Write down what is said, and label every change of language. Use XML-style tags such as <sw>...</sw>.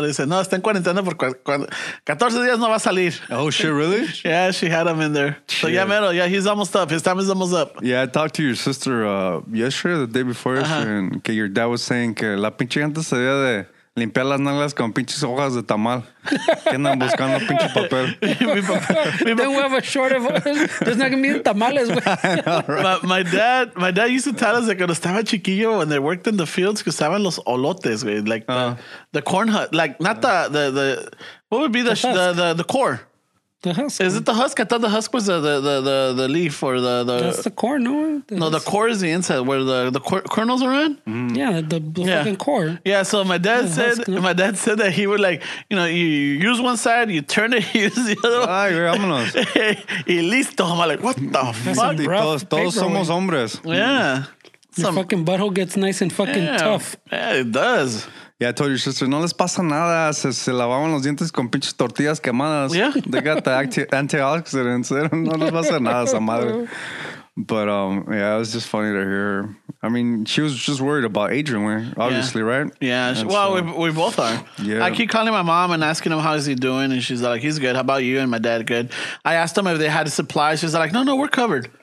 <es>Le dice, no, está en cuarentena por 14 días no va a salir.</es> <en>Oh, shit, really? Yeah, she had him in there. Shit. So, yeah, Mero, yeah, he's almost up. His time is almost up. Yeah, I talked to your sister yesterday, the day before yesterday, uh-huh.</en> <es>And que</es> <en>your dad was saying</en> <es>que la pinche gente se veía de limpiar las nalgas con pinches hojas de tamal. Que andan buscando pinche papel.</es> <en>Then we have a short of. There's not going to be tamales, güey. Right? My dad used to tell us that</en> <es>cuando estaba chiquillo,</es> <en>when they worked in the fields,</en> <es>que estaban los olotes, güey.</es> <en>Like the corn hut. Like, not the what would be the core? The husk. Is it the husk? I thought the husk was the leaf or the. That's the corn, no? No, the core is the inside where the kernels are in. Mm. Yeah, the fucking core. Yeah, so my dad said that he would, like, you know, you use one side, you turn it, you use the other one.</en> <es>Ay, vámonos. Y listo.</es> <en>I'm like, what the fuck?</en> <es>Todos somos hombres.</es> <en>Yeah. Your fucking butthole gets nice and fucking tough. Yeah, it does. Yeah, I told your sister,</en> <es>no les pasa nada. Se lavaban los dientes con pinches tortillas quemadas.</es> <en>Yeah. They got the antioxidants.</en> <es>No les pasa nada, esa madre.</es> <en>But, yeah, it was just funny to hear. I mean, she was just worried about Adrian, obviously, yeah. Right? Yeah. We both are. Yeah. I keep calling my mom and asking him, how is he doing? And she's like, he's good. How about you? And my dad, good. I asked him if they had supplies. She's like, no, we're covered.</en>